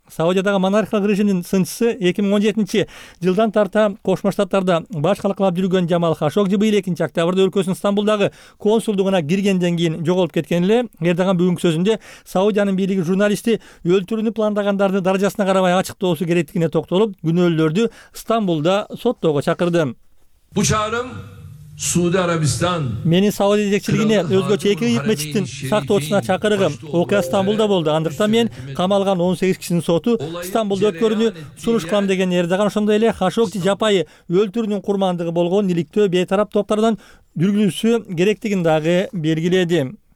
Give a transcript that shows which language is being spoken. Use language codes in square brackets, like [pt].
[ky] Саудиядагы монархиялык режимдин сынчысы 2017 жылдан тарта Кошмо Штаттарда башкалаклап жүргөн Жамал Хашогжи быйыл 2 октябрда өлкөсүнүн Стамбулдагы консулдугуна киргенден кийин жоголуп кеткен эле. Эрдоган бүгүнкү сөзүндө Саудиянын бийлиги журналисти өлтүрүүнү пландагандардын даражасына карабай ачыктоосу керектигине токтолуп, күнөөлүүлөрдү Стамбулда соттоого чакырды. [tr] Bu çağrım Suudi Arabistan. [ky] Мени Сауди жетекчилигине өзгөчө эки мечиттин сактоочусуна чакырыгым. Окуя Стамбулда болду. Андыктан мен камалган 18 кишинин соту Стамбулда өткөрүүнү сунуш кылам деген Эрдоган ошондой эле Хашогжи жапайы өлтүрүүнүн курмандыгы болгон иликтөө бейтарап топтордон жүргүзүлүшү керектигин дагы белгиледи.